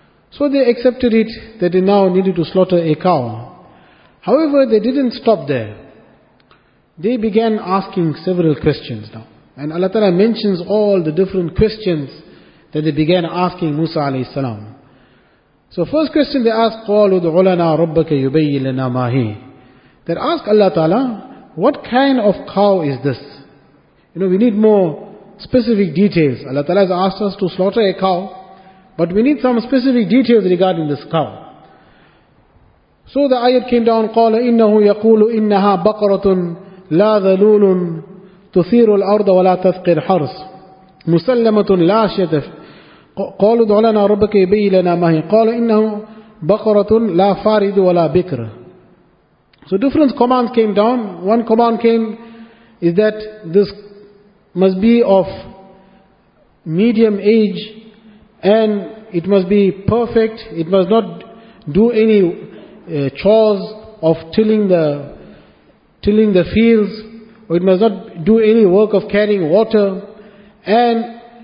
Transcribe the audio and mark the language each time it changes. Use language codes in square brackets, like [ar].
[en] So they accepted it that they now needed to slaughter a cow. However, they didn't stop there. They began asking several questions now. And Allah Ta'ala mentions all the different questions that they began asking Musa alayhi salam. So first question they asked, [ar] قَالُوا دُعُ لَنَا رَبَّكَ يُبَيِّ لَنَا مَا هِي. [en] They asked Allah Ta'ala, what kind of cow is this? You know, we need more specific details. Allah Ta'ala has asked us to slaughter a cow, but we need some specific details regarding this cow. So the ayat came down, [ar] قَالَ إِنَّهُ يَقُولُ إِنَّهَا بَقَرَةٌ لَا ذَلُولٌ تُثِيرُ الْأَرْضَ وَلَا تَثْقِي الْحَرْثَ مُسَلَّمَةٌ لَا شَيْئَةَ فِيهَا قَالُوا ادْعُ لَنَا رَبَّكَ يُبَيِّنْ لَنَا مَا هِيَ قَالَ إِنَّهُ بَقَرَةٌ لَا فَارِضُ وَلَا بِكْرٌ. [en] So different commands came down. One command came is that this must be of medium age, and it must be perfect. It must not do any chores of tilling the fields, or it must not do any work of carrying water. And